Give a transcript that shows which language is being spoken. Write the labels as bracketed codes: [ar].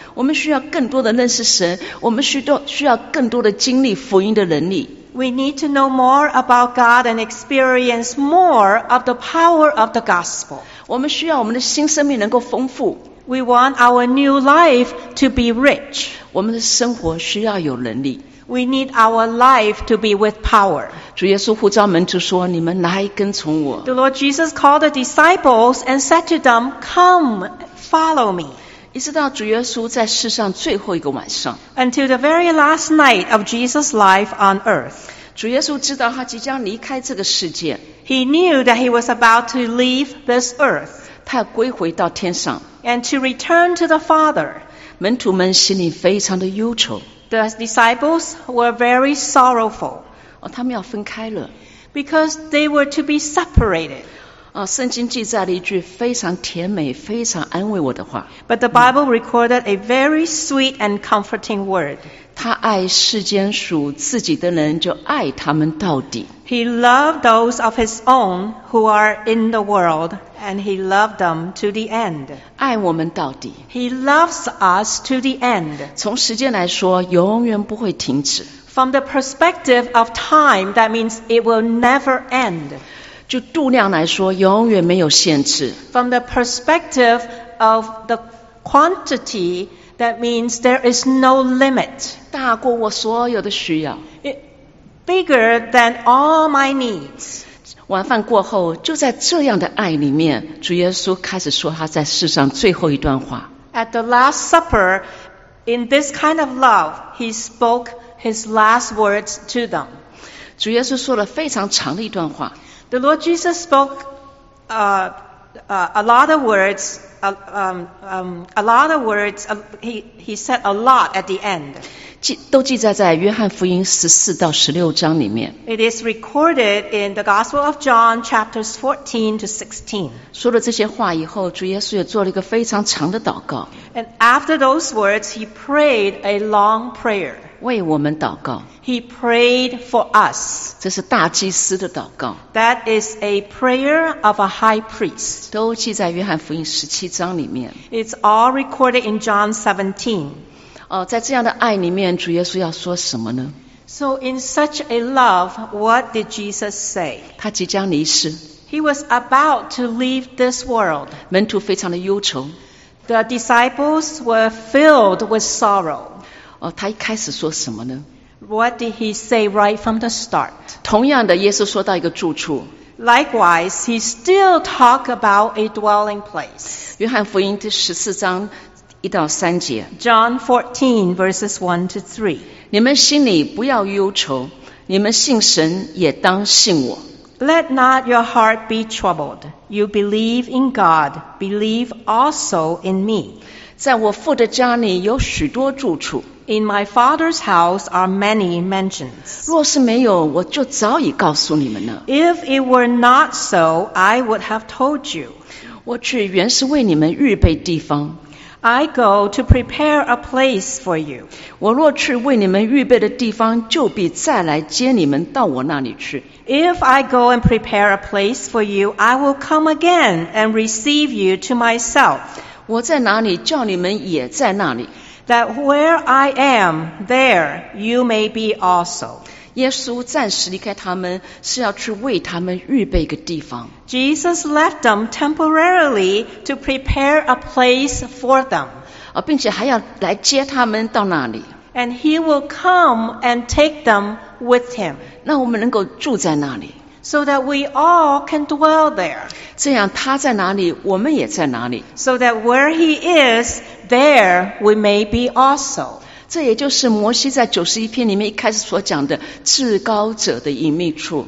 [zh] 我们需要更多的认识神，我们需要更多的经历福音的能力。 [en] We need to know more about God and experience more of the power of the gospel. [zh] 我们需要我们的新生命能够丰富。 [en] We want our new life to be rich. [zh] 我们的生活需要有能力。 [en] We need our life to be with power. [zh] 主耶稣呼召门徒说，你们来跟从我。 [en] The Lord Jesus called the disciples and said to them, Come, follow me. [zh] 一直到主耶稣在世上最后一个晚上。 [en] Until the very last night of Jesus' life on earth. [zh] 主耶稣知道他即将离开这个世界。 [en] He knew that he was about to leave this earth. [zh] 他要归回到天上。 [en] And to return to the Father. [zh] 门徒们心里非常的忧愁。 [en] The disciples were very sorrowful. [zh] 他们要分开了。 [en] Because they were to be separated. [zh] 圣经记载了一句非常甜美、非常安慰我的话。 [en] But the Bible recorded a very sweet and comforting word. [zh] 他爱世间属自己的人，就爱他们到底。 [en] He loved those of his own who are in the world, and he loved them to the end. [zh] 爱我们到底。 [en] He loves us to the end. [zh] 从时间来说，永远不会停止。 [en] From the perspective of time, that means it will never end. [zh] 就度量来说，永远没有限制。 [en] From the perspective of the quantity, that means there is no limit. [zh] 大过我所有的需要。 [en] Bigger than all my needs. [zh] 晚饭过后，就在这样的爱里面，主耶稣开始说他在世上最后一段话。 [en] At the Last Supper, in this kind of love, he spoke his last words to them. [zh] 主耶稣说了非常长的一段话。 [en] The Lord Jesus spoke a lot of words. He said a lot at the end. [zh] 都记载在约翰福音14到16章里面。 [en] It is recorded in the Gospel of John chapters 14 to 16. [zh] 说了这些话以后，主耶稣也做了一个非常长的祷告。 [en] And after those words, he prayed a long prayer. [zh] 为我们祷告。 [en] He prayed for us. [zh] 这是大祭司的祷告。 [en] That is a prayer of a high priest. [zh] 都记在约翰福音十七章里面。 [en] It's all recorded in John 17. [zh] 在这样的爱里面，主耶稣要说什么呢？ [en] So in such a love, what did Jesus say? [zh] 他即将离世。 [en] He was about to leave this world. [zh] 门徒非常的忧愁。 [en] The disciples were filled with sorrow. [zh] 他一开始说什么呢？ [en] What did he say right from the start? [zh] 同样的，耶稣说到一个住处。 [en] Likewise, he still talked about a dwelling place. [zh] 约翰福音第十四章一到三节。 [en] John 14 verses 1 to 3. [zh] 你们心里不要忧愁，你们信神也当信我。 [en] Let not your heart be troubled. You believe in God, believe also in me. [zh] 在我父的家里有许多住处。 [en] In my father's house are many mansions. [zh] 若是没有，我就早已告诉你们了。 [en] If it were not so, I would have told you. [zh] 我去原是为你们预备地方。 [en] I go to prepare a place for you. [zh] 我若去为你们预备的地方，就必再来接你们到我那里去。 [en] If I go and prepare a place for you, I will come again and receive you to myself. [zh] 我在哪里，叫你们也在那里。 [en] That where I am, there you may be also. [zh] 耶稣暂时离开他们，是要去为他们预备个地方。 [en] Jesus left them temporarily to prepare a place for them. [zh] 并且还要来接他们到那里。 [en] And he will come and take them with him. [zh] 那我们能够住在那里。 [en] So that we all can dwell there. [zh] 这样他在哪里，我们也在哪里。 [en] So that where he is, there we may be also. [zh] 这也就是摩西在九十一篇里面一开始所讲的至高者的隐秘处。